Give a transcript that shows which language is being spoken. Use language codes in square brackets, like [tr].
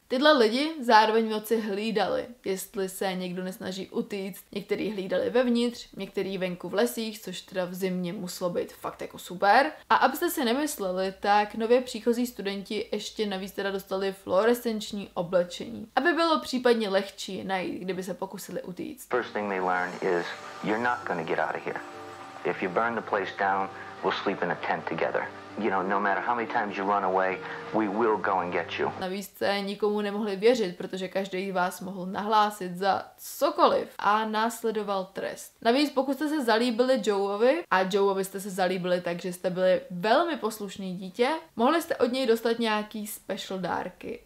[cs] Tyhle lidi zároveň moci hlídali, jestli se někdo nesnaží utíct. Některý hlídali vevnitř, některý venku v lesích, což teda v zimě muselo být fakt jako super. A abyste si nemysleli, tak nově příchozí studenti ještě navíc teda dostali fluorescenční oblečení, aby bylo případně lehčí najít, kdyby se pokusili utíct. [en] First thing they learn is you're not going to get out of here. If you burn the place down, we'll sleep in a tent together. You know, no matter how many times you run away, we will go and get you. [cs] Navíc se nikomu nemohli věřit, protože každý vás mohl nahlásit za cokoliv a následoval trest. Navíc pokud jste se zalíbili Joeovi a Joeovi jste se zalíbili tak, že jste byli velmi poslušný dítě, mohli jste od něj dostat nějaký special dárky.